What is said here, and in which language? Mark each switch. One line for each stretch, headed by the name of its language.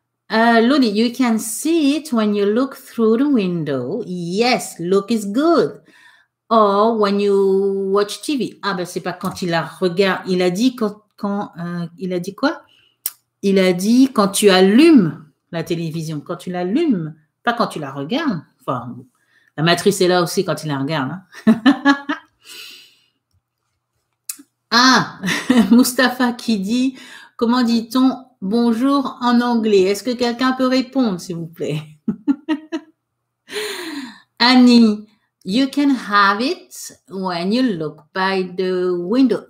English: Loli, you can see it when you look through the window. Yes, look is good. Or when you watch TV.
French: Ah ben c'est pas quand il la regarde. Il a dit il a dit quoi? Il a dit quand tu allumes la télévision, quand tu l'allumes, pas quand tu la regardes. Enfin, la matrice est là aussi quand il la regarde. Hein. Ah, Mustapha qui dit, comment dit-on bonjour en anglais? Est-ce que quelqu'un peut répondre, s'il vous plaît?
English: Annie, you can have it when you look by the window.